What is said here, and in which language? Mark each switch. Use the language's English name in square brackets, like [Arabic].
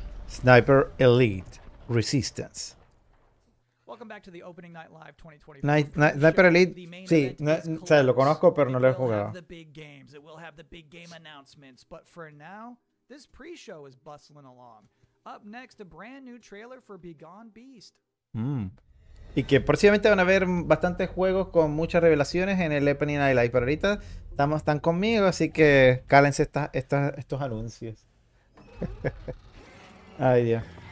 [English] Sniper Elite Resistance. Welcome back to the opening night live 2024. [Spanish] Sniper Elite, sí, o sea, lo conozco, pero no lo he jugado. [English] The big games, it will have the big game announcements, but for now, this pre-show is bustling along. Up next, a brand new trailer for Begone Beast. [Spanish] Y que próximamente van a haber bastantes juegos con muchas revelaciones en el opening night live, pero ahorita están conmigo, así que cálense estos anuncios. Ay, Dios.